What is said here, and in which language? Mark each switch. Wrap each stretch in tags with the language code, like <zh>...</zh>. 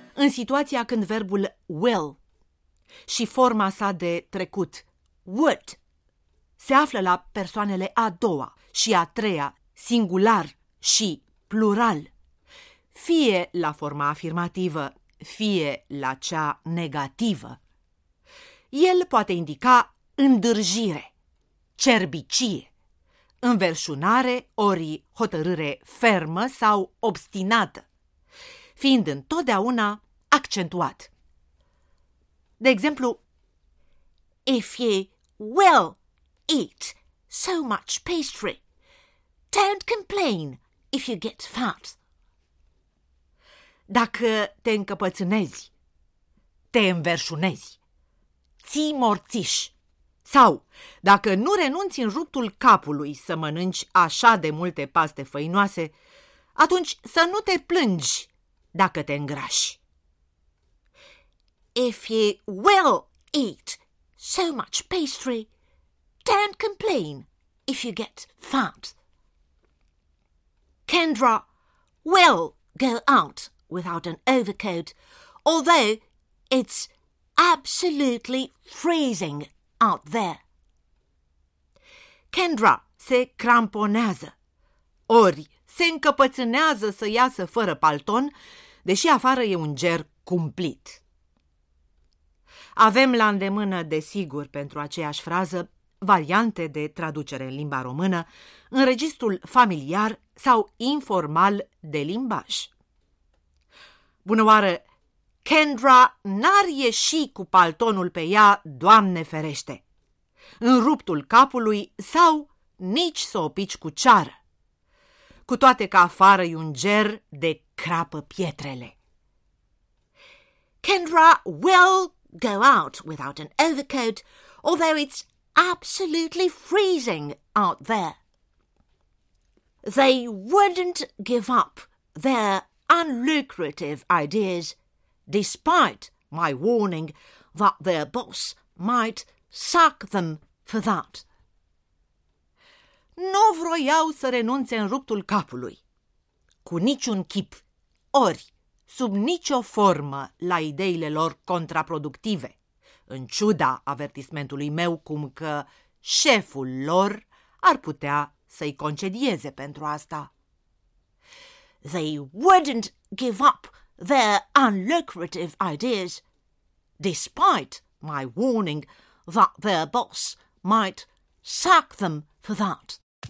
<ro>Situația când verbul will și forma sa de trecut, would, se află la persoanele a doua și a treia, singular și plural, fie la forma afirmativă, fie la cea negativă, el poate indica îndârjire, cerbicie, înverșunare ori hotărâre fermă sau obstinată, fiind întotdeauna accentuat. De exemplu,</ro> <en>if you will eat so much pastry, don't complain if you get fat.</en> <ro>Dacă te încăpățânezi, te înverșunezi, ții morțiș, sau dacă nu renunți în ruptul capului să mănânci așa de multe paste făinoase, atunci să nu te plângi dacă te îngrași.</ro> <en>If you will eat so much pastry, don't complain if you get fat. Kendra will go out without an overcoat, although it's absolutely freezing out there.</en> <ro>Kendra se cramponează, ori se încăpățânează să iasă fără palton, deși afară e un ger cumplit. Avem la îndemână, desigur, pentru aceeași frază, variante de traducere în limba română, în registrul familiar sau informal de limbaj. Bună oară! Kendra n-ar ieși cu paltonul pe ea, Doamne ferește! În ruptul capului sau nici să o pici cu ceară. Cu toate că afară e un ger de crapă pietrele.</ro> <en>Kendra will go out without an overcoat, although it's absolutely freezing out there. They wouldn't give up their unlucrative ideas, despite my warning that their boss might sack them for that.</en> <ro>Nu vroiau să renunțe în ruptul capului. cu niciun chip, ori, sub nicio formă, la ideile lor contraproductive, în ciuda avertismentului meu cum că șeful lor ar putea să-i concedieze pentru asta.</ro> <en>They wouldn't give up their unlucrative ideas, despite my warning that their boss might sack them for that.</en>